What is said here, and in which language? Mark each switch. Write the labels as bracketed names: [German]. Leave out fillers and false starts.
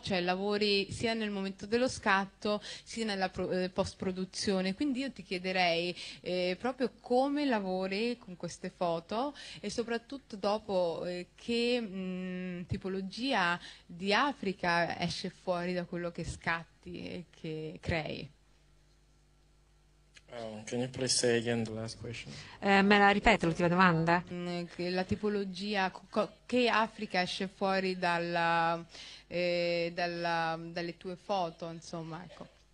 [Italian] Cioè lavori sia nel momento dello scatto sia nella post-produzione. Quindi io ti chiederei proprio come lavori con queste foto e soprattutto dopo che tipologia di Africa esce fuori da quello che scatti e che crei. [English] Can you please say again the last question? [Italian] Me la ripeto l'ultima domanda? La tipologia, che Africa esce fuori dalle tue foto, insomma, ecco.